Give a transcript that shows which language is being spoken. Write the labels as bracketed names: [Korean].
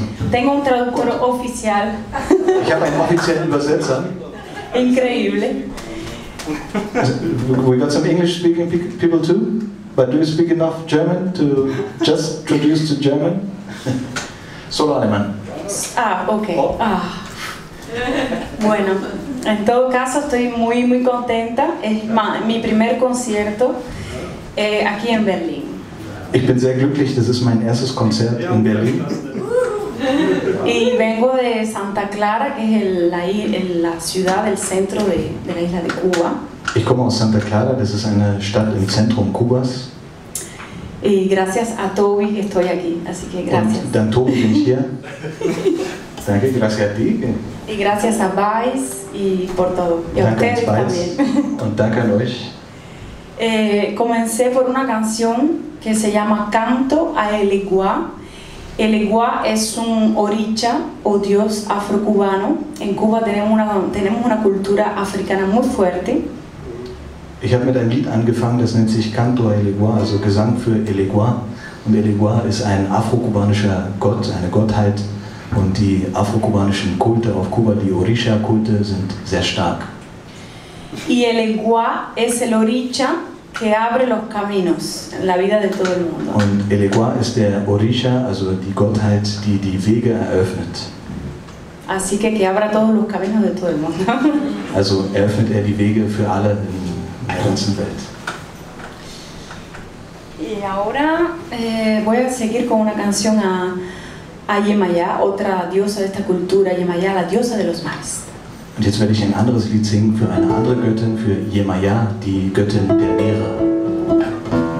[Spanish] Tengo un traductor oficial. [German] Ich habe einen offiziellen Übersetzer. [Spanish] Increíble. [English] We got some English speaking people too, but do you speak enough German to just traduce to German? [Spanish] Solo alemán. Ah, okay. Ah. Bueno, en todo caso estoy muy muy contenta. Es mi primer concierto aquí en Berlín. [German] Ich bin sehr glücklich, das ist mein erstes Konzert in Berlin. [Spanish] Y vengo de Santa Clara, que es la ciudad del centro de la isla de Cuba. [German] Ich komme aus Santa Clara, das ist eine Stadt im Zentrum Kubas. [Spanish] Y gracias a Toby estoy aquí, así que gracias. [German] Und dann Toby bin ich hier. Danke, [Spanish] gracias a ti. Y gracias a Weiss y por todo. Y [German] danke [Spanish] a ustedes también. [German] Und danke an euch. [Spanish] Comencé por una canción que se llama Canto a El Iguá. El Iguá es un oricha o dios afrocubano. En Cuba tenemos una cultura africana muy fuerte. [German] Ich habe mit einem Lied angefangen, das nennt sich Canto a El Iguá, also Gesang für El Iguá. Und El Iguá ist ein afrokubanischer Gott, eine Gottheit. Und die afrokubanischen Kulte auf Kuba, die Orisha-Kulte, sind sehr stark. [Spanish] Y el Iguá es el oricha que abre los caminos en la vida de todo el mundo. [German] Und El Iguá ist der Orisha, also die Gottheit, die die Wege eröffnet. [Spanish] Así que abra todos los caminos de todo el mundo. [German] Also eröffnet die Wege für alle in der ganzen Welt. [Spanish] Y ahora voy a seguir con una canción a Yemayá, otra diosa de esta cultura, Yemayá, la diosa de los mares. [German] Und jetzt werde ich ein anderes Lied singen für eine andere Göttin, für Yemayá, die Göttin der Meere.